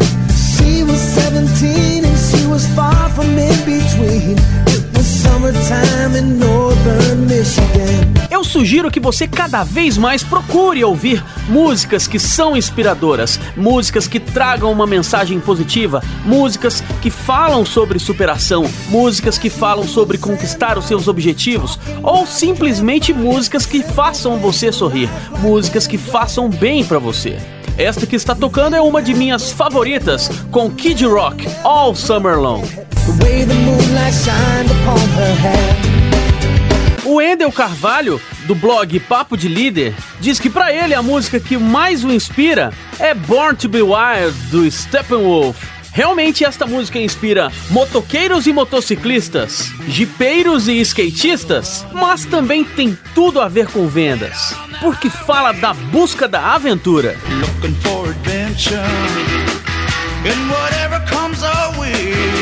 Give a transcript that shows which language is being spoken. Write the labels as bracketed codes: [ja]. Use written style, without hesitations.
[en] She was 17 and she was far from in between. It was summertime in northern Michigan. [pt] Eu sugiro que você cada vez mais procure ouvir músicas que são inspiradoras, músicas que tragam uma mensagem positiva, músicas que falam sobre superação, músicas que falam sobre conquistar os seus objetivos, ou simplesmente músicas que façam você sorrir, músicas que façam bem pra você. Esta que está tocando é uma de minhas favoritas, com Kid Rock, All Summer Long. [en] The way the moonlight shined upon her head. [pt] O Wendell Carvalho, do blog Papo de Líder, diz que pra ele a música que mais o inspira é Born to be Wild, do Steppenwolf. Realmente esta música inspira motoqueiros e motociclistas, jipeiros e skatistas, mas também tem tudo a ver com vendas, porque fala da busca da aventura. [en] Looking for adventure in whatever comes our way.